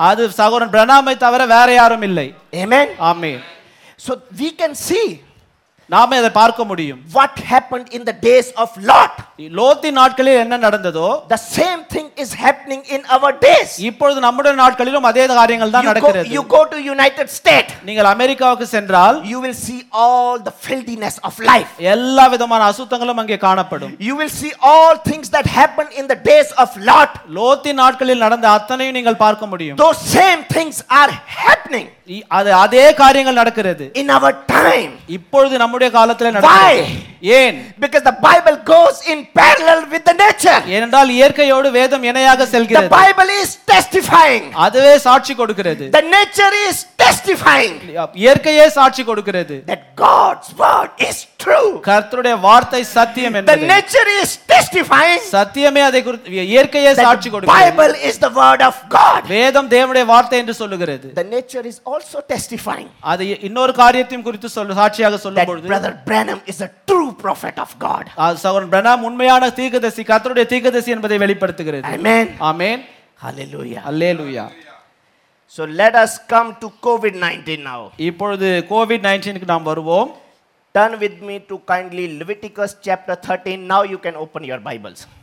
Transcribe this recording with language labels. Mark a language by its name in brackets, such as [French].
[Tamil] அது சகோதரன் பிரணாமை தவிர வேற யாரும் இல்லை. [English] Amen. Amen. So we can see. [Tamil] நாம இதை பார்க்க முடியும். [English] What happened in the days of Lot? [Tamil] லோத்தின் நாட்களில் என்ன நடந்ததோ, [English] the same thing is happening in our days. [Tamil] இப்பொழுது நம்முடைய நாட்களிலும் அதே காரியங்கள் தான் நடக்கிறது. [English] You go to United States. [Tamil] நீங்கள் அமெரிக்காவுக்கு சென்றால், [English] you will see all the filthiness of life. [Tamil] எல்லா விதமான அசுத்தங்களும் அங்கே காணப்படும். [English] You will see all things that happened in the days of Lot. [Tamil] லோத்தின் நாட்களில் நடந்த அத்தனையும் நீங்கள் பார்க்க முடியும். [English] Those same things are happening. [Tamil] அதே காரியங்கள் நடக்கிறது. [English] In our time. [Tamil] இப்பொழுது நம்முடைய காலத்தில் நடக்கிறது. ஏன்? [English] Because the Bible goes in parallel with the nature. [Tamil] ஏனென்றால் இயற்கையோடு வேதம் இணையாக செல்கிறது. [English] The Bible is testifying. [Tamil] அதுவே சாட்சி கொடுக்கிறது. [English] The nature is testifying. [Tamil] இயற்கையே சாட்சி கொடுக்கிறது. [English] That God's word is true. [Tamil] கர்த்தருடைய வார்த்தை சத்தியம் என்பது. [English] The nature is testifying. [Tamil] சத்தியமே அதை குறித்து இயற்கையே சாட்சி கொடுக்கிறது. [English] The Bible is the word of God. [Tamil] வேதம் தேவனுடைய வார்த்தை என்று சொல்கிறது. [English] The nature is also testifying. [Tamil] அது இன்னொரு காரியத்தையும் குறித்து சாட்சியாக சொல்லும்பொழுது, [English] that brother Branham is a true prophet of God. [Tamil] சகோதரன் பிரணாம் உண்மையான தீர்க்கதரிசி, கர்த்தருடைய தீர்க்கதரிசி என்பதை வெளிப்படுத்துகிறது. [English] Amen. Amen. Hallelujah. Hallelujah. So let us come to COVID-19 now. [Tamil] இப்பொழுது COVID-19க்கு நாம் வருவோம். [English] Turn with me to kindly Leviticus chapter 13. Now you can open your Bibles.